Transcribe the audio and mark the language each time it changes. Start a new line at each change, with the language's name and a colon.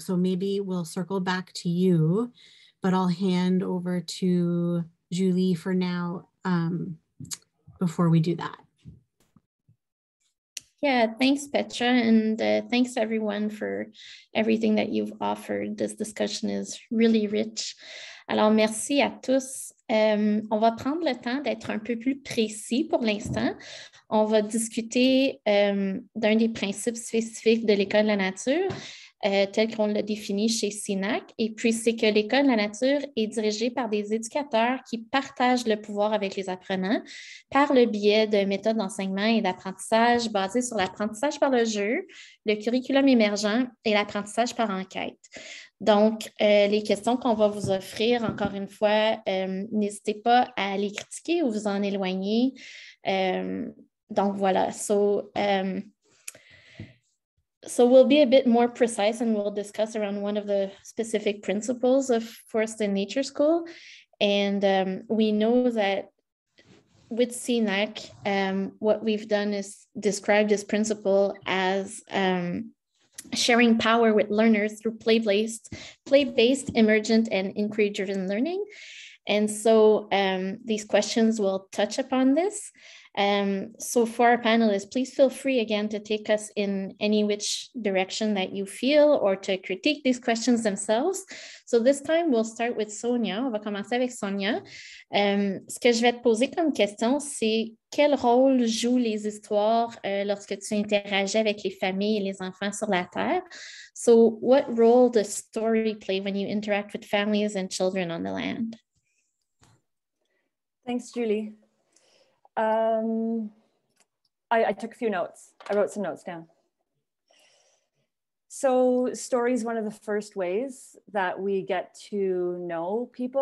English: So maybe we'll circle back to you, but I'll hand over to Julie for now, before we do that. Yeah, thanks, Petra, and thanks everyone for everything that you've offered. This discussion is really rich.
French: Alors, merci à tous. On va prendre le temps d'être un peu plus précis pour l'instant. On va discuter d'un des principes spécifiques de l'École de la nature, tel qu'on l'a défini chez CINAC. Et puis, c'est que l'École de la nature est dirigée par des éducateurs qui partagent le pouvoir avec les apprenants par le biais de méthodes d'enseignement et d'apprentissage basées sur l'apprentissage par le jeu, le curriculum émergent et l'apprentissage par enquête. Donc, les questions qu'on va vous offrir, encore une fois, n'hésitez pas à les critiquer ou vous en éloigner. Donc, voilà.
English: So we'll be a bit more precise and we'll discuss around one of the specific principles of Forest and Nature School. And we know that with CNAC, what we've done is describe this principle as sharing power with learners through play-based, emergent, and inquiry-driven learning. And so these questions will touch upon this. So for our panelists, please feel free again to take us in any which direction that you feel or to critique these questions themselves. So this time we'll start with Sonja.
French: On va commencer avec Sonja. Ce que je vais te poser comme question, c'est quel rôle jouent les histoires lorsque tu interagis avec les familles et les enfants sur la Terre?
English: So what role does story play when you interact with families and children on the land? Thanks, Julie. I took a few notes. I wrote some notes down. So story is one of the first ways that we get to know people.